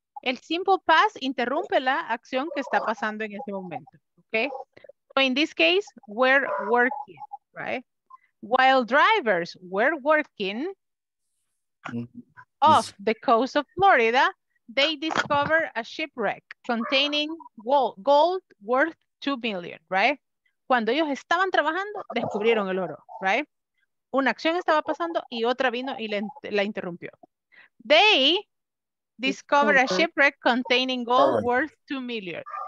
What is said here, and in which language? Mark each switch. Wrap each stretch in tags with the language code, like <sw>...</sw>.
<es>El simple past interrumpe la acción que está pasando en ese momento, okay?</es> <en>So in this case, we're working, right? While drivers were working off the coast of Florida, they discovered a shipwreck containing gold worth $2 million, right?</en> <es>Cuando ellos estaban trabajando, descubrieron el oro, right? Una acción estaba pasando y otra vino y la interrumpió.</es> <en>They discovered a shipwreck containing gold worth $2 million.</en>